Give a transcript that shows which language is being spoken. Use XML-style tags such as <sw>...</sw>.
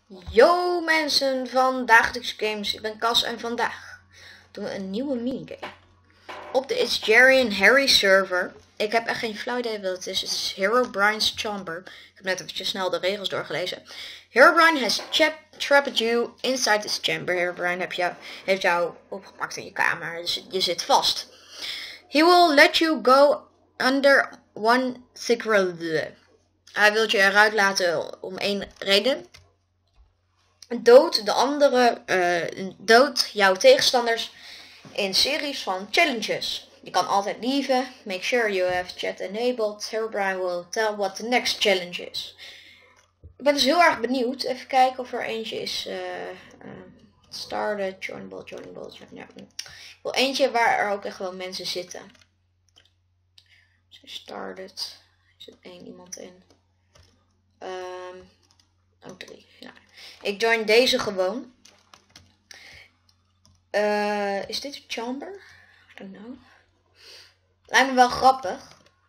<nl>Yo mensen van Dagelijks Games, ik ben Cas en vandaag doen we een nieuwe minigame. Op de It's Jerry and Harry server. Ik heb echt geen flauw idee wat het is. Het is Herobrine's Chamber. Ik heb net even snel de regels doorgelezen.</nl> <en>Herobrine has trapped you inside this chamber.</en> <nl>Herobrine heeft jou opgepakt in je kamer. Dus je zit vast.</nl> <en>He will let you go under one thick road.</en> <nl>Hij wil je eruit laten om één reden. Dood de andere, dood jouw tegenstanders in series van challenges. Je kan altijd leave.</nl> <en>Make sure you have chat enabled. Herobrine will tell what the next challenge is.</en> <nl>Ik ben dus heel erg benieuwd. Even kijken of er eentje is.</nl> <en>Started, joinable, joinable.</en> <nl>Ik wil eentje waar er ook echt wel mensen zitten. Started. Er zit één iemand in. Oh, drie. Ja. Ik join deze gewoon. Is dit een chamber?</nl> <en>I don't know.</en> <nl>Lijkt me wel grappig.</nl>